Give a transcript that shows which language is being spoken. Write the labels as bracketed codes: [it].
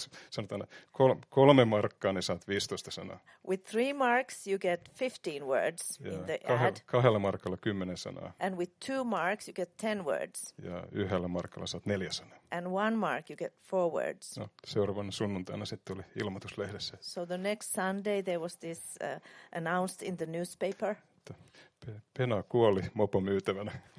[fi] Sanotaan, 3 markkaa, niin saat 15 sanaa. [en] With 3 marks, you get 15 words [fi] ja [en] in the ad. [fi] 2 markalla 10 sanaa. [en] And with 2 marks, you get 10 words. [fi] Ja 1 markalla saat 4 sanaa. [en] And 1 mark, you get 4 words. [fi] No, seuraavana sunnuntaina sitten oli ilmoituslehdessä. [en] So the next Sunday, there was this announced in the newspaper. [fi] Pena kuoli mopo myytävänä.